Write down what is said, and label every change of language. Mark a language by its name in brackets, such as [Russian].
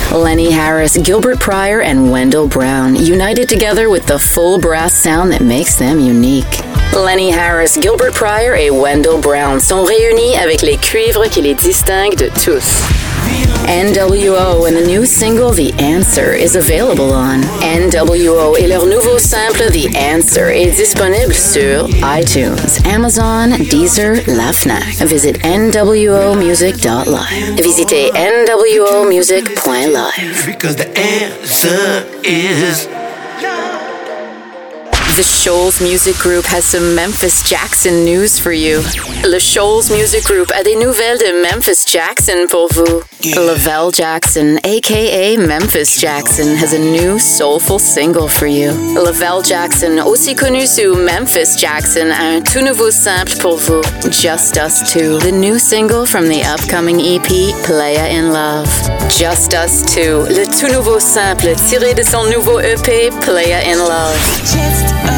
[English] Lenny Harris, Gilbert Pryor and Wendell Brown united together with the full brass sound that makes them unique. [French] Lenny Harris, Gilbert Pryor et Wendell Brown sont réunis avec les cuivres qui les distinguent de tous. [English] NWO and the new single The Answer is available on [French] NWO et leur nouveau simple The Answer est disponible sur iTunes, Amazon, Deezer, La Fnac. [English] Visit nwomusic.live. [French] Visitez nwomusic.live. [English] Because the answer is... The Shoals Music Group has some Memphis Jackson news for you. [French] The Shoals Music Group a des nouvelles de Memphis Jackson pour vous. Yeah. [English] Lavelle Jackson, a.k.a. Memphis Jackson, has a new soulful single for you. [French] Lavelle Jackson, aussi connu sous Memphis Jackson, a un tout nouveau simple pour vous. [English] Just Us 2, the new single from the upcoming EP, Playa in Love. [French] Just Us 2, le tout nouveau simple tiré de son nouveau EP, Playa in Love.